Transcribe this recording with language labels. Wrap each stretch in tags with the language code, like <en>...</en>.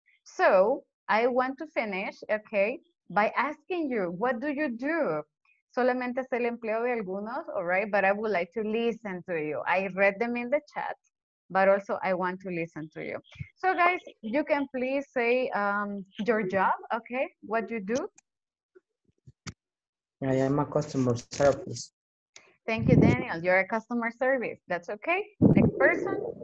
<en>So I want to finish, okay, by asking you, what do you do?</en> <es>Solamente es el empleo de algunos,</es> <en>all right? But I would like to listen to you. I read them in the chat, but also I want to listen to you. So guys, you can please say your job, okay? What you do? I am a customer service. Thank you, Daniel. You're a customer service. That's okay. Next person.</en>